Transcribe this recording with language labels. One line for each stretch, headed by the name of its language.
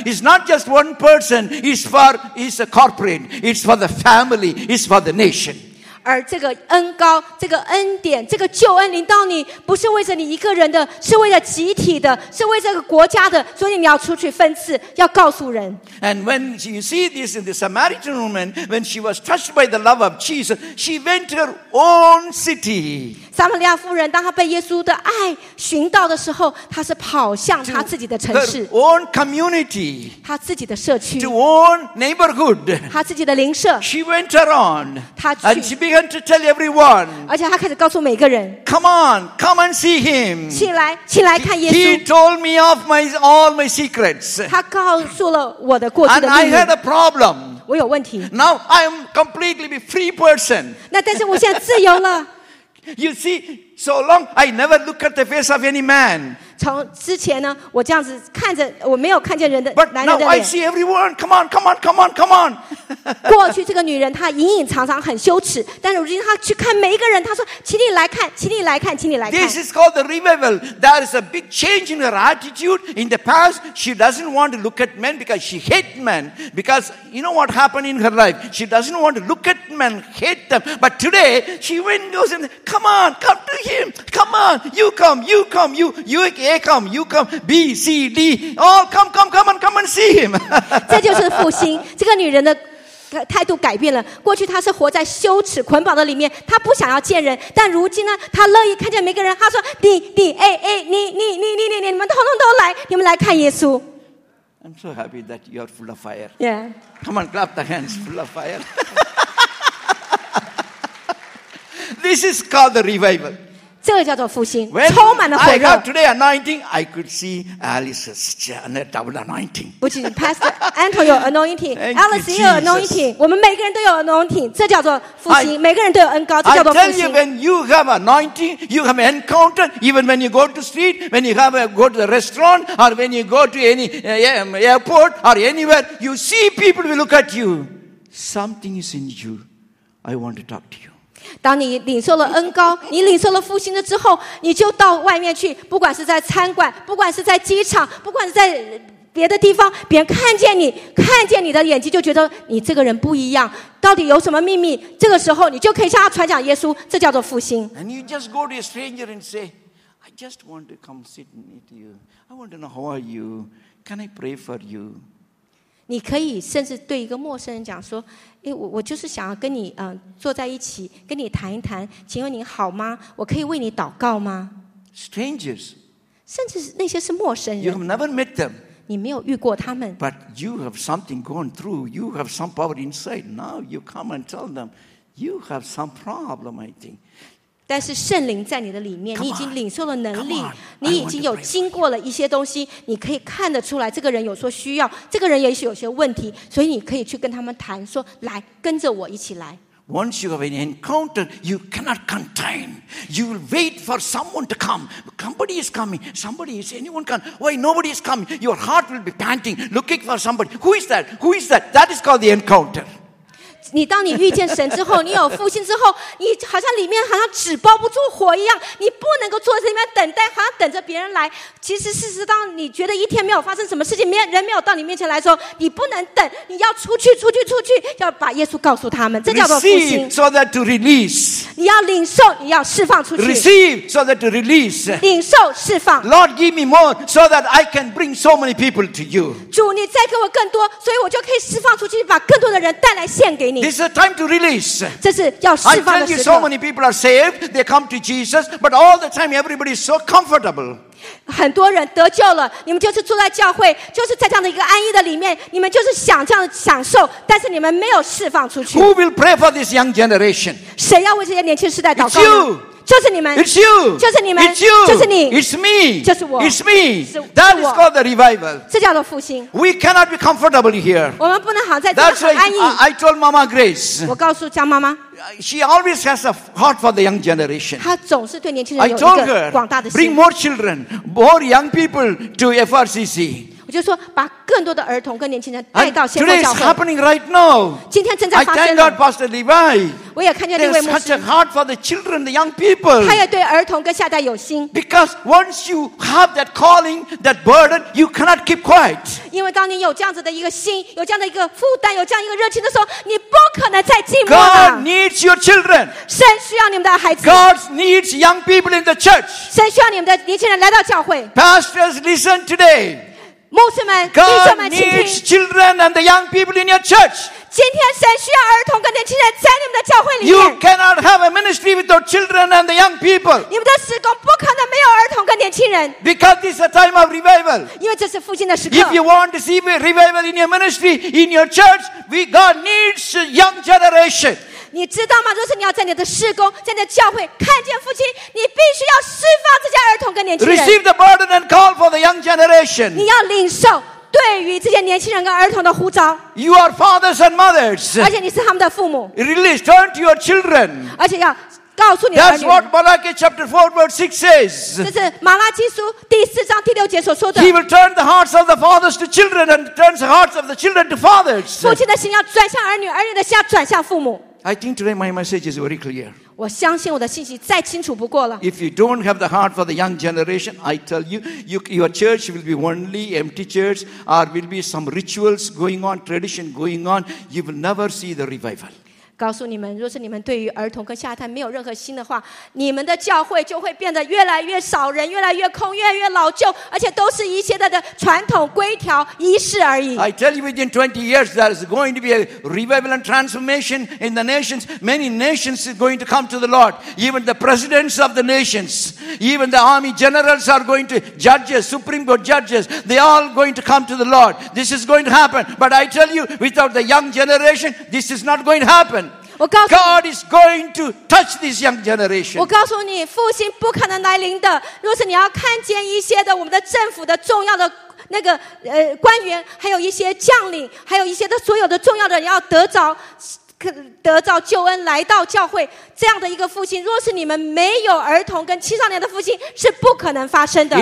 English: It's not just one person. It's a corporate. It's for the family. It's for the nation.
Chinese: 而这个恩膏、这个恩典、这个救恩临到你，不是为着你一个人的，是为了集体的，是为这个国家的。所以你要出去分赐，要告诉人。
English: And when you see this in the Samaritan woman, when she was touched by the love of Jesus, she went to her own city.
Chinese: 撒玛利亚妇人当她被耶稣的爱寻到的时候，她是跑向她自己的城市。
English: To her own community.
Chinese: 她自己的社区。
English: To own neighborhood.
Chinese: 她自己的邻舍。
English: She went her own.
Chinese: 她去。
English: And she began to tell everyone.
Chinese: 而且他开始告诉每个人。
English: Come on, come and see him.
Chinese: 起来，起来看耶稣。
English: He told me of all my secrets.
Chinese: 他告诉了我的过去的秘密。
English: And I had a problem.
Chinese: 我有问题。
English: Now I am completely free person.
Chinese: 那但是我现在自由了。
English: You see, so long I never look at the face of any man.
Chinese: 从之前呢，我这样子看着，我没有看见人的男人的脸。
English: But now I see everyone. Come on, come on, come on, come on.
Chinese: 过去这个女人她隐隐藏藏很羞耻，但是如今她去看每一个人，她说：“请你来看，请你来看，请你来看。”
English: This is called the revival. There is a big change in her attitude. In the past, she doesn't want to look at men because she hates men. Because you know what happened in her life, she doesn't want to look at men, hate them. But today, she went and goes and come on, come to him. Come on, you come, you come, you. A come, you come, B, C, D. All come, come, come and come and see him.
Chinese: 这就是复兴。这个女人的态度改变了。过去她是活在羞耻捆绑的里面，她不想要见人。但如今呢，她乐意看见每个人。她说：“你们统统都来，你们来看耶稣。”
English: I'm so happy that you're full of fire. Yeah. Come on, clap the hands, full of fire. This is called the revival.
Chinese: 这个叫做复兴，充满了火热。
English: I got today anointing, I could see Alice's double anointing.
Chinese: 不仅 Pastor Anton 有 anointing, Alice 也有 anointing. 我们每个人都有 anointing, 这叫做复兴。每个人都有恩膏，这叫做复兴。
English: I tell you, when you have anointing, you have encounter. Even when you go to street, when you go to the restaurant, or when you go to any airport or anywhere, you see people will look at you. Something is in you. I want to talk to you.
Chinese: 当你领受了恩膏，你领受了复兴的之后，你就到外面去，不管是在餐馆，不管是在机场，不管是在别的地方，别人看见你，看见你的眼睛就觉得你这个人不一样，到底有什么秘密？这个时候你就可以向他传讲耶稣，这叫做复兴。
English: And you just go to a stranger and say, I just want to come sit with you. I want to know how are you? Can I pray for you?
Chinese: 你可以甚至对一个陌生人讲说：“哎，我就是想要跟你坐在一起，跟你谈一谈，请问你好吗？我可以为你祷告吗
English: ？”Strangers，
Chinese: 甚至那些是陌生人
English: ，You have never met them，
Chinese: 你没有遇过他们。
English: But you have something going through. You have some power inside. Now you come and tell them, you have some problem. I think
Chinese: 但是圣灵在你的里面，你已经领受了能力，你已经有经过了一些东西，你可以看得出来这个人有所需要，这个人也许有些问题，所以你可以去跟他们谈说，来跟着我一起来。
English: Once you have an encounter, you cannot contain. You will wait for someone to come. Somebody is coming. Somebody is anyone coming. Why nobody is coming? Your heart will be panting, looking for somebody. Who is that? Who is that? That is called the encounter.
Chinese: 你当你遇见神之后，你有复兴之后，你好像里面好像纸包不住火一样，你不能够坐在里面等待，好像等着别人来。其实事实上，你觉得一天没有发生什么事情，人没有到你面前来的时候，你不能等，你要出去，出去，出去，要把耶稣告诉他们，这叫做复兴。
English: Receive so that to release.
Chinese: 你要领受，你要释放出去。
English: Receive so that to release.
Chinese: 领受释放。
English: Lord, give me more so that I can bring so many people to you.
Chinese: 主，你再给我更多，所以我就可以释放出去，把更多的人带来献给你。
English: This is a time to release.
Chinese: 这是要释放的时刻。
English: I tell you, so many people are saved. They come to Jesus, but all the time, everybody is so comfortable.
Chinese: 很多人得救了，你们就是住在教会，就是在这样的一个安逸的里面，你们就是想这样享受，但是你们没有释放出去。
English: Who will pray for this young generation?
Chinese: 谁要为这些年轻世代祷告？
English: It's you.
Chinese: 就是你们。
English: It's you.
Chinese: 就是你们。
English: It's you.
Chinese: 就是你。
English: It's me.
Chinese: 就是我。
English: It's me. That is called the revival.
Chinese: 这叫做复兴。
English: We cannot be comfortable here.
Chinese: 我们不能好在这里很安逸。
English: I told Mama Grace.
Chinese: 我告诉江妈妈。
English: She always has a heart for the young generation.
Chinese: 她总是对年轻人有一个广大的心。
English: I told her, bring more children, more young people to FRCC.
Chinese: 我就说，把更多的儿童跟年轻人带到先锋教会。
English: Today is happening right now.
Chinese: 今天正在发生。
English: I thank God, Pastor Levi.
Chinese: 我也看见那位牧师。
English: There's such a heart for the children, the young people.
Chinese: 他也对儿童跟下代有心。
English: Because once you have that calling, that burden, you cannot keep quiet.
Chinese: 因为当你有这样子的一个心，有这样的一个负担，有这样一个热情的时候，你不可能再寂寞了。
English: God needs your children.
Chinese: 神需要你们的孩子。
English: God needs young people in the church.
Chinese: 神需要你们的年轻人来到教会。
English: Pastors, listen today.
Chinese: 牧师们，弟兄们，请听。
English: God needs children and the young people in your church.
Chinese: 今天神需要儿童跟年轻人在你们的教会里面。
English: You cannot have a ministry without children and the young people.
Chinese: 你们的事工不可能没有儿童跟年轻人。
English: Because this is a time of revival.
Chinese: 因为这是复兴的时刻。
English: If you want to see revival in your ministry, in your church, God needs a young generation.
Chinese: 你知道吗？若是你要在你的事工，在你的教会看见父亲，你必须要释放这些儿童跟年轻人。
English: Receive the burden and call for the young generation.
Chinese: 你要领受对于这些年轻人跟儿童的呼召。
English: You are fathers and mothers.
Chinese: 而且你是他们的父母。
English: Release, turn to your children.
Chinese: 而且要告诉你的儿女。
English: That's what Malachi chapter 4 verse 6 says.
Chinese: 这是马拉基书第四章第六节所说的。
English: He will turn the hearts of the fathers to children and turn the hearts of the children to fathers.
Chinese: 父亲的心要转向儿女，儿女的心要转向父母。
English: I think today my message is very clear.
Chinese: 我相信我的信息再清楚不过了。
English: If you don't have the heart for the young generation, I tell you, your church will be only empty church, or will be some rituals going on, tradition going on. You will never see the revival.
Chinese: 告诉你们，若是你们对于儿童跟下一代没有任何心的话，你们的教会就会变得越来越少人，越来越空，越来越老旧，而且都是一些的传统规条仪式而已。
English: I tell you, within 20 years, there is going to be a revival and transformation in the nations. Many nations are going to come to the Lord. Even the presidents of the nations, even the army generals are going to judges, supreme court judges. They all going to come to the Lord. This is going to happen. But I tell you, without the young generation, this is not going to happen. God is going to touch this young generation.
Chinese: 我告诉你，复兴不可能来临的。若是你要看见一些的我们的政府的重要的那个官员，还有一些将领，还有一些的所有的重要的人要得着救恩来到教会，这样的一个复兴，若是你们没有儿童跟青少年的复兴，是不可能发生的。